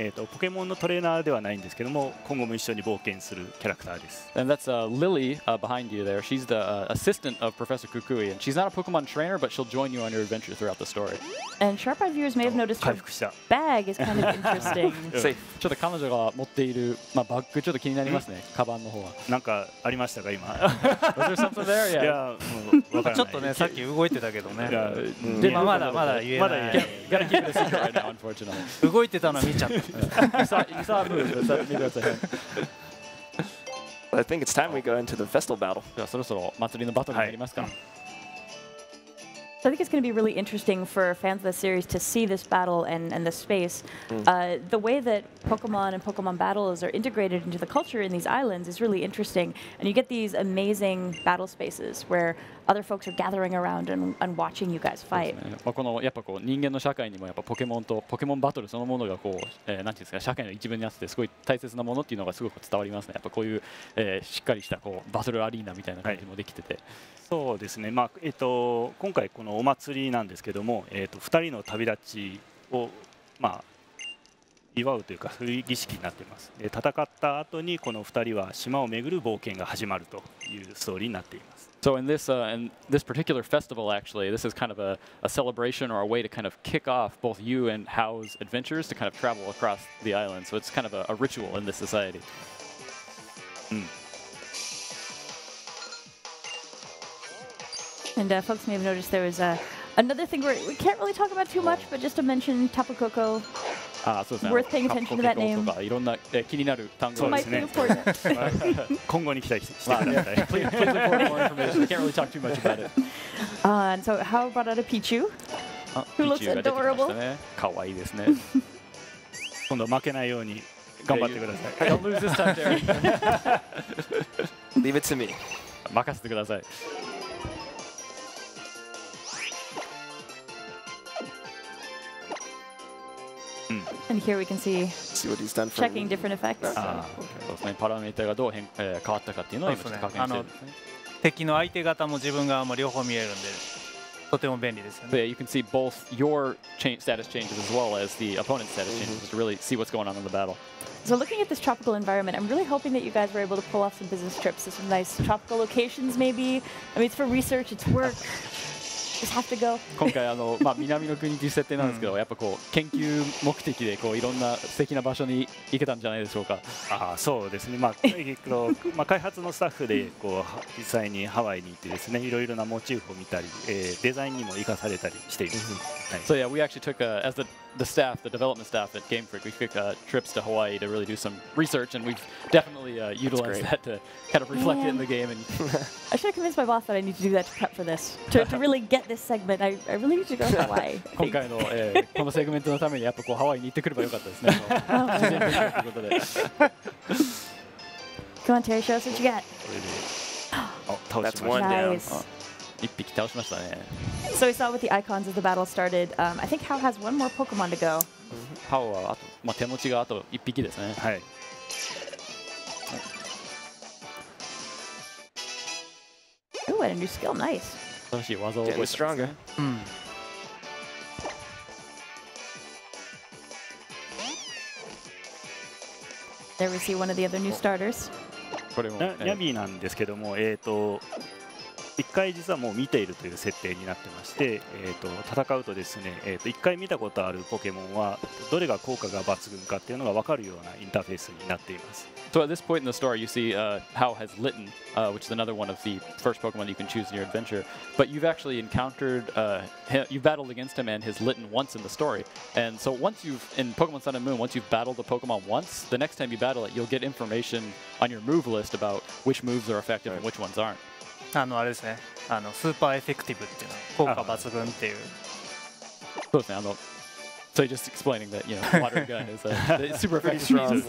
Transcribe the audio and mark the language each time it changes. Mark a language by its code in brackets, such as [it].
[ja] ポケモンのトレーナーではないんですけども、今後も一緒に冒険するキャラクターです。 [en] And that's Lily behind you there. She's the assistant of Professor Kukui, and she's not a Pokemon trainer, but she'll join you on your adventure throughout the story. And sharp-eyed viewers may have noticed her bag is kind of interesting. Safe. [ja] ちょっと彼女が持っているまあバッグちょっと気になりますね。カバンの方は。なんかありましたか今。 [en] Was there something there? Yeah. [ja] いや、わからない。ちょっとね、さっき動いてたけどね。でもまだまだ言えない。まだ言えない。 [en] Gotta keep it a secret right now, unfortunately. [ja] 動いてたの見ちゃった。 [en] You saw a move. [ja] 見てください。 [en] I think it's time we go into the festival battle. [ja] じゃあそろそろ祭りのバトルになりますか。 [en] So I think it's going to be really interesting for fans of the series to see this battle and the space. The way that Pokemon and Pokemon battles are integrated into the culture in these islands is really interesting. And you get these amazing battle spaces where other folks are gathering around and watching you guys fight. [ja] まあこのやっぱこう人間の社会にもやっぱポケモンとポケモンバトルそのものがこう何て言うんですか社会の一部になってすごい大切なものっていうのがすごく伝わりますね。やっぱこういうしっかりしたこうバトルアリーナみたいな感じもできてて。そうですね。まあ今回このお祭りなんですけども、2人の旅立ちをまあ祝うというかそういう儀式になっています。戦った後にこの2人は島を巡る冒険が始まるというストーリーになっています。 [en] So in this particular festival actually, this is kind of a celebration or a way to kind of kick off both you and Hao's adventures to kind of travel across the island. So it's kind of a ritual in this society. And folks may have noticed there was another thing where we can't really talk about too much, but just to mention Tapu Koko. Worth paying attention to that name. [ja] いろんな気になる単語ですね。今後に期待してください。 [en] Please report more information. We can't really talk too much about it. And so, how about a Pichu? Who looks adorable? [ja] かわいいですね。今度負けないように頑張ってください。 [en] Don't lose this time, Derek. Leave it to me. [ja] 任せてください。 [en] And here we can see, what he's done checking different effects. [ja] そうですね。パラメーターがどう変変わったかっていうのを今ちょっと確認してるんですね。あの敵の相手方も自分側も両方見えるんで、とても便利ですよね。 [en] So, yeah, you can see both your status changes as well as the opponent's status changes to really see what's going on in the battle. So looking at this tropical environment, I'm really hoping that you guys were able to pull off some business trips to some nice tropical locations, maybe. I mean, it's for research, it's work. Just have to go. [ja] 今回あのまあ南の国という設定なんですけど、やっぱこう研究目的でこういろんな素敵な場所に行けたんじゃないでしょうか。ああ、そうですね。まあ結構まあ開発のスタッフでこう実際にハワイに行ってですね、いろいろなモチーフを見たり、デザインにも生かされたりしています。 [en] So yeah, we actually took, as the staff, the development staff at GameFreak, we took trips to Hawaii to really do some research, and we've definitely utilized that to kind of reflect it in the game. And I should have convinced my boss that I need to do that to prep for this, to really get this segment. I really need to go to Hawaii. [ja] 今回の、このセグメントのためにやっぱこうハワイに行ってくればよかったですね。ということで。 [en] Come on, Terry, show us what you got. That's one down. So we saw with the icons as the battle started. I think Hao has one more Pokemon to go. [ja] Hao はあと、まあ手持ちがあと一匹ですね。はい。 [en] Ooh, and a new skill, nice. [ja] 新しい技を覚えた。 [en] Getting stronger. There we see one of the other new starters. [ja] これも。ヤミーなんですけども、一回実はもう見ているという設定になってまして、戦うとですね、一回見たことあるポケモンはどれが効果が抜群かっていうのが分かるようなインターフェースになっています。 [en] So at this point in the story, you see Hao has Litten, which is another one of the first Pokemon you can choose in your adventure. But you've actually encountered, you've battled against him and his Litten once in the story. And so once you've, in Pokemon Sun and Moon, once you've battled the Pokemon once, the next time you battle it, you'll get information on your move list about which moves are effective and which ones aren't. [ja] あのあれですね、あのスーパーエフェクティブっていうの、効果抜群っていう。そうですね、あの、 [en] so just explaining that, you know, water gun is super effective.